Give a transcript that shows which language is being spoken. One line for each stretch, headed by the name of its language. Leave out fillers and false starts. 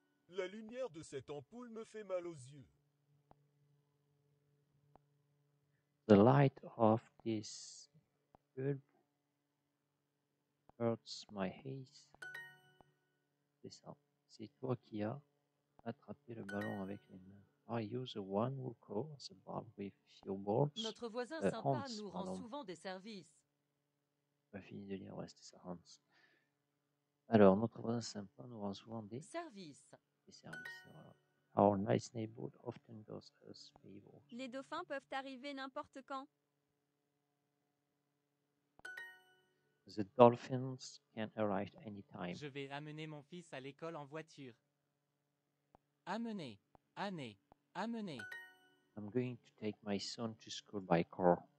French: La lumière de cette ampoule me fait mal aux yeux.
English: The light of this bulb hurts my eyes.
French: C'est ça. C'est toi qui as attrapé le ballon avec les mains.
English: Are you the one who calls the ball with your balls?
French: Notre voisin sympa Hans, nous rend souvent des services. J'ai fini de lire, ouais, c'était ça, Hans. Alors, notre voisin sympa nous rend souvent des services. Des services, voilà.
English: Our nice neighborhood often does us favors.
French: Les dauphins peuvent arriver n'importe quand.
English: The dolphins can arrive anytime.
French: Je vais amener mon fils à l'école en voiture. Amener. Année. Amener.
English: I'm going to take my son to school by car.